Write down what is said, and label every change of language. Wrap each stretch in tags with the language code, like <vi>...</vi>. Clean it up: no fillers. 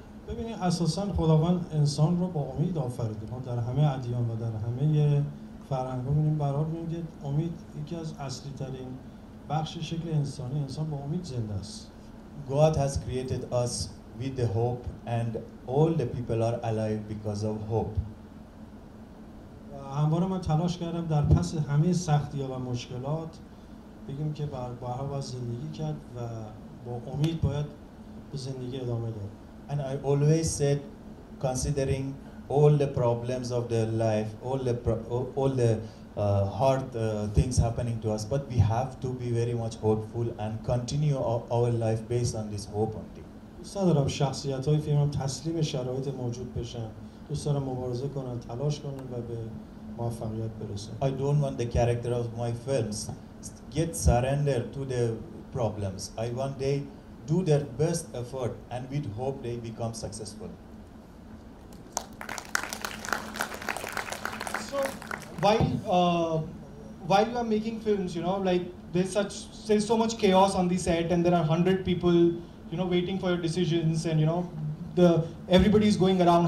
<fa>ببینید اساساً خداوند انسان رو با امید آفریده. ما در همه ادیان و در همه فرهنگ ها میبینیم برار میبینید امید یکی از اصلی ترین بخش شکل انسانی، انسان با امید زنده است.</fa> <en>God has created us with the hope and all the people are alive because of hope.</en> <fa>همواره من تلاش کردم در پس همه سختی ها و مشکلات بگیم که برای باید زندگی کرد و با امید باید به زندگی ادامه داد.</fa> <en>And I always said, considering all the problems of their life, all the hard things happening to us, but we have to be very much hopeful and continue our life based on this hope only.</en> <fa>دوستانم شخصیت‌های فیلم تسلیم شرایط موجود بشن. دوستانم مبارزه کنن، تلاش کنن و به موفقیت برسن.</fa> <en>I don't want the character of my films get surrender to the problems. I want they do their best effort and with hope they become successful. So while you are making films, you know, like there's so much chaos on the set and there are 100 people, you know, waiting for your decisions and, you know, everybody is going around.</en>